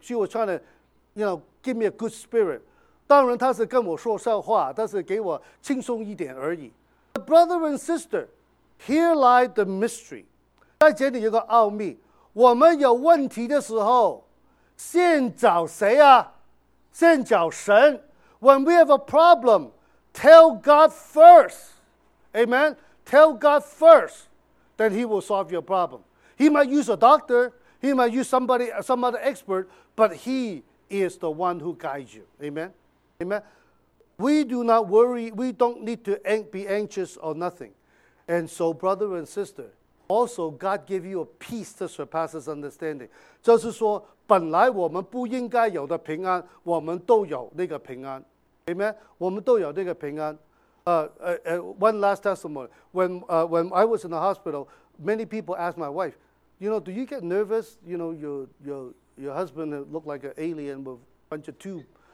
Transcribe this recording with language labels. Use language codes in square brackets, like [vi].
[en] She was trying to, you know, give me a good spirit. [zh] 当然她是跟我说笑话,但是给我轻松一点而已。 [en] But brother and sister, here lies the mystery. [zh] 在这里有个奥秘, 我们有问题的时候, 先找谁啊? 先找神。 [en] When we have a problem, tell God first. Amen? Tell God first, then he will solve your problem. He might use a doctor, he might use somebody, some other expert, but he is the one who guides you. Amen? Amen? We do not worry, we don't need to be anxious or nothing. And so, brother and sister, also God gave you a peace that surpasses understanding. [zh] 就是说, 本来我们不应该有的平安, 我们都有那个平安。 Amen? 我们都有那个平安。 [en] One last testimony. When I was in the hospital, many people asked my wife, you know, do you get nervous? You know, your husband looked like an alien with a bunch of tubes.